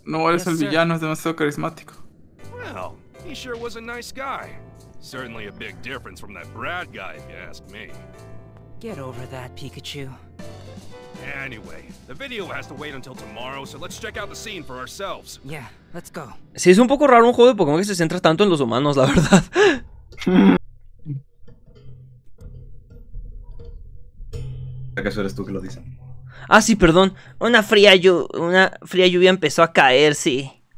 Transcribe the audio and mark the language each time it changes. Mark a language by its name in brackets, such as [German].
[Spanish] No, eres yes, el villano, es demasiado carismático. [English] Well, he sure was a nice guy. Certainly a big difference from that Brad guy, if you ask me. Get over that, Pikachu. Anyway, the video has to wait until tomorrow, so let's check out the scene for ourselves. Yeah, let's go. [Spanish] Sí, es un poco raro un juego de Pokémon que se centra tanto en los humanos, la verdad. ¿Acaso eres tú que lo dice? Ah, sí, perdón. Una fría lluvia empezó a caer, sí.